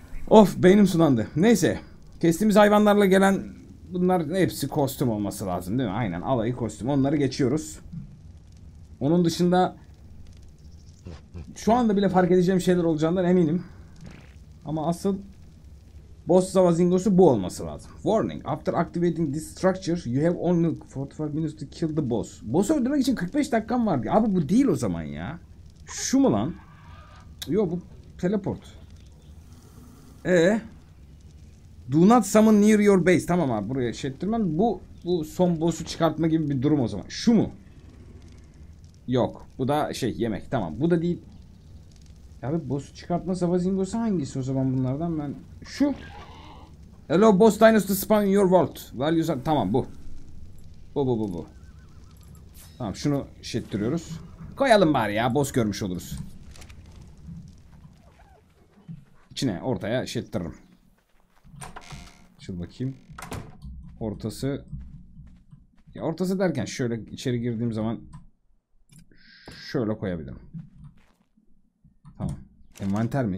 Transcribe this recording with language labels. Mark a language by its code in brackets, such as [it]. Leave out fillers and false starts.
[tr] Of beynim sulandı. Neyse, kestiğimiz hayvanlarla gelen bunlar hepsi kostüm olması lazım değil mi? Aynen, alayı kostüm, onları geçiyoruz. Onun dışında şu anda bile fark edeceğim şeyler olacağından eminim. Ama asıl boss Zavazingos'u bu olması lazım. [en] Warning. After activating this structure, you have only 45 minutes to kill the boss. [tr] Boss'u öldürmek için 45 dakikam vardı. Abi bu değil o zaman ya. Şu mu lan? Yo bu teleport. [en] Do not summon near your base. [tr] Tamam abi buraya şettirmem. Bu son boss'u çıkartma gibi bir durum o zaman. Şu mu? Yok. Bu da şey yemek. Tamam. Bu da değil. Abi boss'u çıkartma Zavazingos'u hangisi o zaman bunlardan ben... Şu. [en] Hello boss dinos to spawn in your vault. Values are... [tr] Tamam bu. Bu. Tamam şunu şettiriyoruz. Koyalım bari ya, boss görmüş oluruz. İçine ortaya şettiririm. Şöyle bakayım. Ortası. Ya ortası derken şöyle içeri girdiğim zaman şöyle koyabilirim. Tamam. Envanter mi?